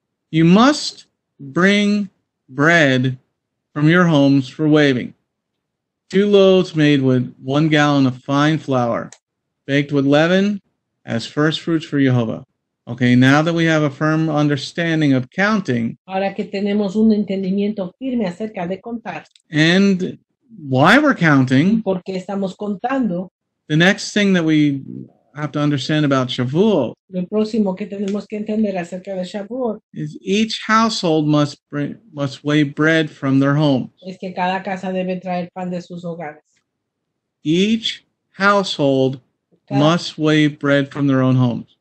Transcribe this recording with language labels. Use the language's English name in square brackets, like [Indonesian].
[English] You must bring bread from your homes for waving. 2 loaves made with 1 gallon of fine flour, baked with leaven as first fruits for Yehovah. Okay, now that we have a firm understanding of counting, [Spanish] ahora que tenemos un entendimiento firme acerca de contar, [English] and why we're counting, [Spanish] porque estamos contando, [English] the next thing that we have to understand about Shavuot, [Spanish] lo próximo que tenemos que entender acerca de Shavuot, [English] is each household must weigh bread from their home. [Spanish] Es que cada casa debe traer pan de sus hogares. [English] Each household must weigh bread from their own homes.